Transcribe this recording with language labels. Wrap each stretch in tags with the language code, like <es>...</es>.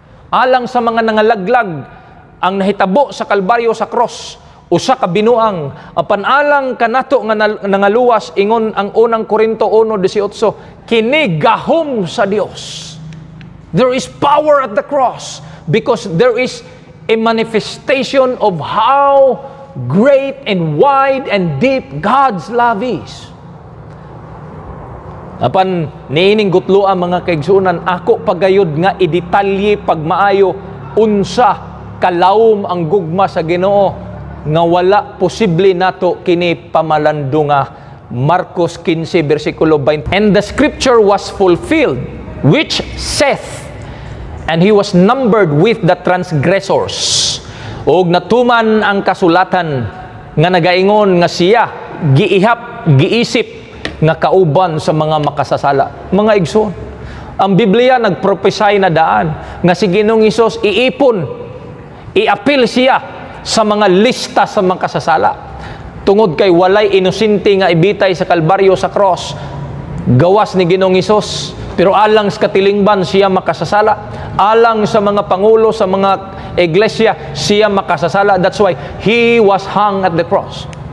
<ceb>Alang sa mga nangalaglag ang nahitabo sa Kalbaryo sa cross, usa ka binuang, apan alang kanato nga nangaluwas, ingon ang 1 Corinto 1:18, kini gahom sa Dios.</ceb> <en>There is power at the cross because there is a manifestation of how great and wide and deep God's love is.</en> <ceb>Apan niining gutlo ang mga kaigsoonan, ako pagayod nga iditalye pagmaayo unsa kalawom ang gugma sa Ginoo nga wala posible nato kini pamalandunga. Marcos 15 versikulo 20.</ceb> <en>And the scripture was fulfilled, which saith, and he was numbered with the transgressors.</en> <ceb>Og natuman ang kasulatan nga nagaingon nga siya giihap, giisip nga kauban sa mga makasasala. Mga igsoon, ang Biblia nagprophesy na daan nga si Ginoong Hesus iipon, iapil siya sa mga lista sa makasasala. Tungod kay walay inosente nga ibitay sa Kalbaryo sa cross, gawas ni Ginoong Hesus. Pero alang sa katilingban, siya makasasala. Alang sa mga pangulo, sa mga iglesia, siya makasasala.</ceb> <en>That's why he was hung at the cross.</en>